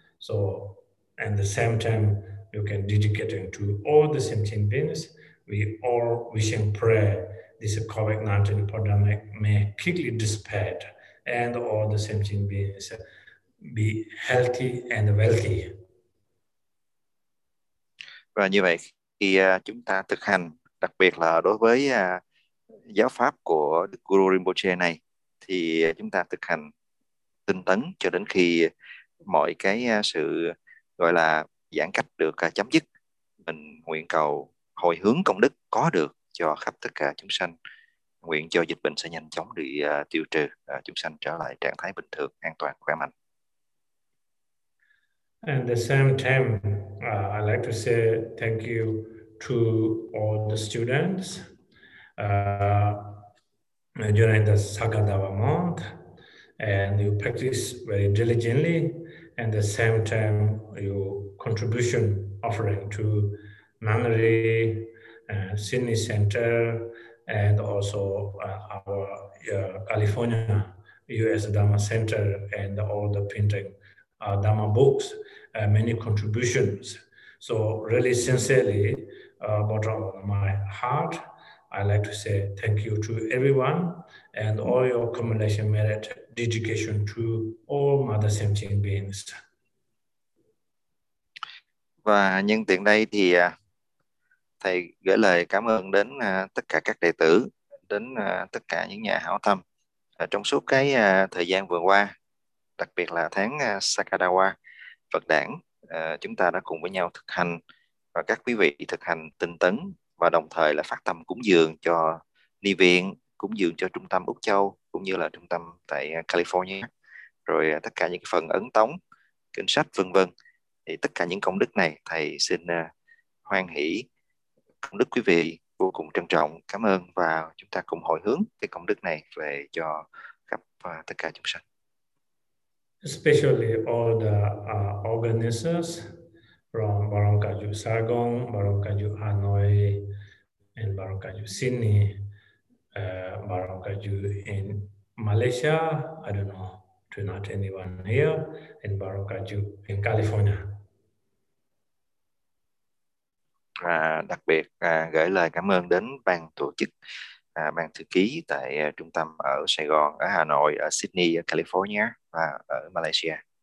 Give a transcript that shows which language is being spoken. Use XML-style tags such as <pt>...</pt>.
<en>So, at the same time, you can dedicate it to all the sentient beings. We all wishing prayer this COVID-19 pandemic may quickly dissipate, and all the sentient beings be healthy and wealthy.</en> <vi>Và như vậy khi chúng ta thực hành, đặc biệt là đối với giáo pháp của Guru Rinpoche này, thì chúng ta thực hành tinh tấn cho đến khi mọi cái sự gọi là giãn cách được chấm dứt. Mình nguyện cầu hồi hướng công đức có được cho khắp tất cả chúng sanh. Nguyện cho dịch bệnh sẽ nhanh chóng bị tiêu trừ, chúng sanh trở lại trạng thái bình thường, an toàn, khỏe mạnh.</vi> <en>And the same time, I'd like to say thank you to all the students during the Sagadava month, and you practice very diligently, and the same time your contribution offering to Nunnery, Sydney Center, and also our California US Dharma Center, and all the printing Dharma books, many contributions. So really sincerely, bottom of my heart, I'd like to say thank you to everyone and all your accumulation merit dedication to all Mother Sentient Beings.</en> <vi>Và nhân tiện đây thì thầy gửi lời cảm ơn đến tất cả các đệ tử, đến tất cả những nhà hảo tâm trong suốt cái thời gian vừa qua, đặc biệt là tháng Sakadawa Phật Đản, chúng ta đã cùng với nhau thực hành và các quý vị thực hành tinh tấn và đồng thời là phát tâm cúng dường cho ni viện, cúng dường cho trung tâm Úc Châu cũng như là trung tâm tại California, rồi tất cả những phần ấn tống, kinh sách vân vân. Thì tất cả những công đức này thầy xin hoan hỷ công đức quý vị vô cùng trân trọng, cảm ơn, và chúng ta cùng hồi hướng cái công đức này về cho khắp tất cả chúng sanh.</vi> <en>Especially all the organizers from Barangkaju Sargon, Barangkaju Hanoi, and Barangkaju Sydney, Barangkaju in Malaysia, I don't know, to not anyone here, and Barangkaju in California.</en> <vi>Đặc biệt gửi lời cảm ơn đến ban tổ chức, ban thư ký tại trung tâm ở Sài Gòn, ở Hà Nội, ở Sydney, ở California và ở Malaysia.</vi>